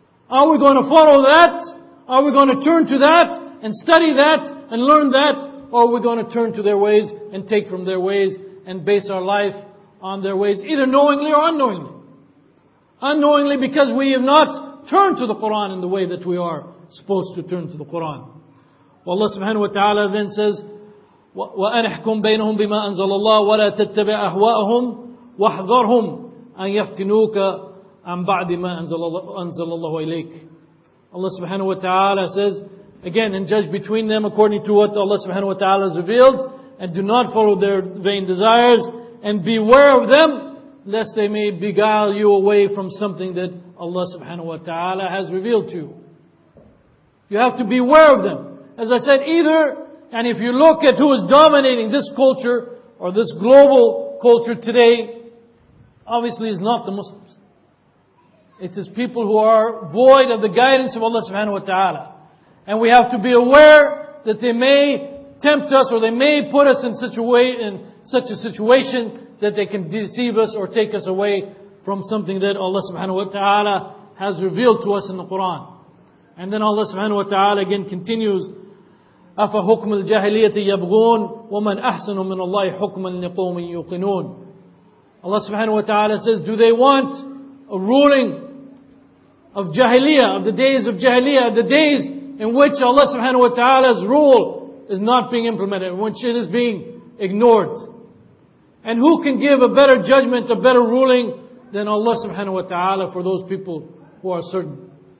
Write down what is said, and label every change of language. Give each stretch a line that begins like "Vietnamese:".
English: Are we going to follow that? Are we going to turn to that and study that and learn that? Or are we going to turn to their ways and take from their ways and base our life on their ways, either knowingly or unknowingly? Unknowingly because we have not turn to the Quran in the way that we are supposed to turn to the Quran. Well, Allah subhanahu wa ta'ala then says,
Arabic: وَأَنِحْكُمْ بَيْنَهُمْ بِمَا أَنزَلَ اللَّهُ وَلَا تَتَّبِعْ أَهْوَاءَهُمْ وَاحْذَرْهُمْ أَن يَفْتِنُوكَ عَن بَعْدِ مَا أَنزَلَ اللَّهُ إِلَيْكَ.
English: Allah subhanahu wa ta'ala says, again, and judge between them according to what Allah subhanahu wa ta'ala has revealed, and do not follow their vain desires, and beware of them, lest they may beguile you away from something that Allah subhanahu wa ta'ala has revealed to you. You have to beware of them. As I said, either, and if you look at who is dominating this culture, or this global culture today, obviously is not the Muslims. It is people who are void of the guidance of Allah subhanahu wa ta'ala. And we have to be aware that they may tempt us, or they may put us in such a way, in such a situation, that they can deceive us or take us away from something that Allah subhanahu wa ta'ala has revealed to us in the Quran. And then Allah subhanahu wa ta'ala again continues,
Arabic: أَفَ حُكْمُ الْجَاهِلِيَةِ يَبْغُونَ وَمَنْ أَحْسَنُ مِنَ اللَّهِ حُكْمًا لِقَوْمٍ يُقِنُونَ.
English: Allah subhanahu wa ta'ala says, do they want a ruling of jahiliyyah, of the days of jahiliyyah, the days in which Allah subhanahu wa ta'ala's rule is not being implemented, in which it is being ignored? And who can give a better judgment, a better ruling than Allah subhanahu wa ta'ala for those people who are certain?